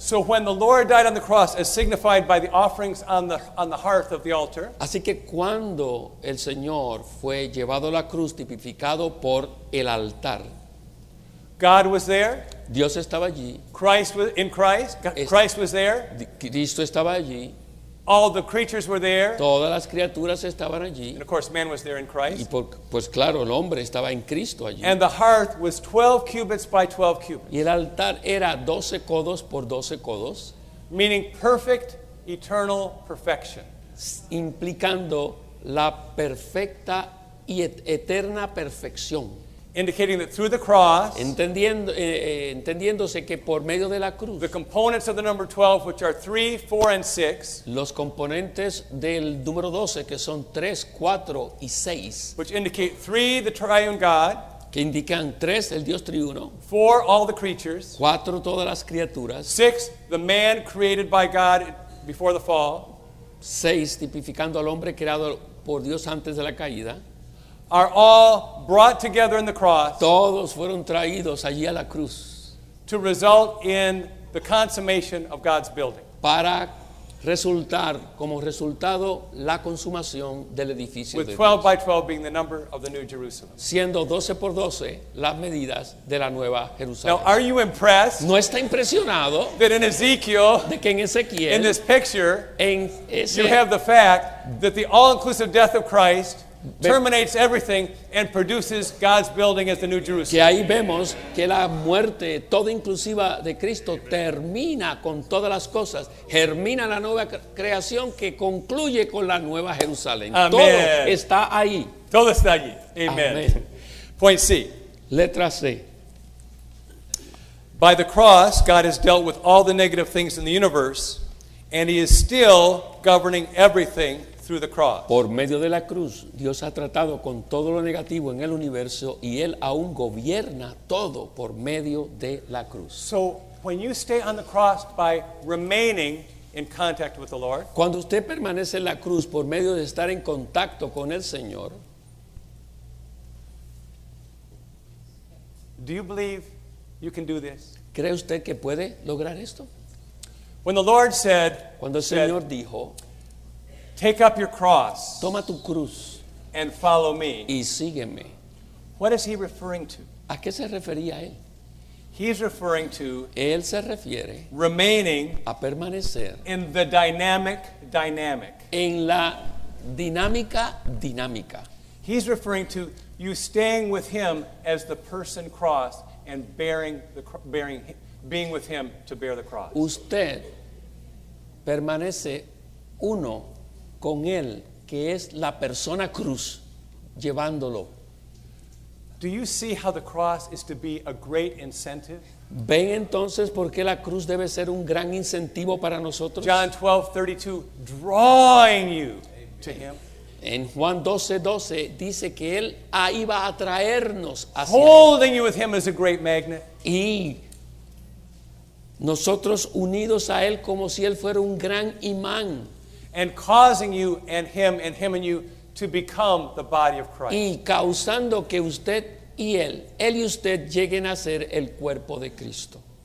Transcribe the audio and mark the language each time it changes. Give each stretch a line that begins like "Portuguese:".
English: So when the Lord died on the cross as signified by the offerings on the hearth of the altar.
Spanish: Así que cuando el Señor fue llevado a la cruz tipificado por el altar.
English: God was there.
Spanish: Dios estaba allí.
English: Christ was there.
Spanish: Cristo estaba allí.
English: All the creatures were there.
Spanish: Todas las criaturas estaban allí.
English: And of course, man was there in Christ.
Spanish: Y por, pues claro, el hombre estaba en Cristo allí.
English: And the hearth was 12 cubits by 12 cubits.
Spanish: Y el altar era 12 codos por 12 codos.
English: Meaning perfect, eternal perfection.
Spanish: Implicando la perfecta y eterna perfección.
English: Indicating that through the cross,
Spanish: entendiéndose que por medio de la cruz,
English: the components of the number 12, which are 3, 4, and 6,
Spanish: los componentes del número 12, que son 3, 4, y 6,
English: which indicate 3, the triune God,
Spanish: que indican 3, el Dios triuno,
English: 4, all the creatures,
Spanish: 4, todas las criaturas,
English: 6, the man created by God before the fall,
Spanish: 6, tipificando al hombre creado por Dios antes de la caída,
English: are all brought together in the cross.
Spanish: Todos fueron traídos allí a la cruz.
English: To result in the consummation of God's building.
Spanish: Para resultar como resultado la consumación del edificio.
English: With
Spanish: de Dios.
English: By 12 being the number of the New Jerusalem.
Spanish: Siendo 12 por 12 las medidas de la nueva Jerusalén.
English: Now, are you impressed?
Spanish: ¿No está impresionado?
English: That in Ezekiel,
Spanish: de que en Ezequiel,
English: in this picture,
Spanish: en ese,
English: you have the fact that the all-inclusive death of Christ terminates everything and produces God's building as the New Jerusalem.
Spanish: Que ahí vemos que la muerte toda inclusiva de Cristo termina con todas las cosas, germina la nueva creación que concluye con la nueva Jerusalén. Amen. Todo está ahí. Todo está allí. Amen. Amen.
English: Point C.
Spanish: Letra C.
English: By the cross, God has dealt with all the negative things in the universe, and He is still governing everything. Through the cross.
Spanish: Por medio de la cruz, Dios ha tratado con todo lo negativo en el universo y Él aún gobierna todo por medio de la cruz.
English: So, when you stay on the cross by remaining in contact with the Lord,
Spanish: cuando usted permanece en la cruz por medio de estar en contacto con el Señor,
English: do you believe you can do this?
Spanish: ¿Cree usted que puede lograr esto?
English: When the Lord said,
Spanish: cuando el Señor dijo,
English: take up your cross.
Spanish: Toma tu cruz.
English: And follow me.
Spanish: Y sígueme.
English: What is he referring to?
Spanish: ¿A qué se refería él?
English: He's referring to
Spanish: él se refiere
English: remaining
Spanish: a permanecer
English: in the dynamic dynamic.
Spanish: En la dinámica dinámica.
English: He's referring to you staying with him as the person cross and bearing being with him to bear the cross.
Spanish: Usted permanece uno con él, que es la persona cruz, llevándolo.
English: Do you see how the cross is to be a great incentive?
Spanish: ¿Ven entonces por qué la cruz debe ser un gran incentivo para nosotros?
English: John 12:32, drawing you to him.
Spanish: En Juan 12:12 dice que él ahí va a traernos hacia
English: holding
Spanish: él.
English: You with him is a great magnet.
Spanish: Y nosotros unidos a él como si él fuera un gran imán.
English: And causing you and him and you to become the body of Christ.
Spanish: Y causando que usted y él, él y usted lleguen a ser el cuerpo de Cristo.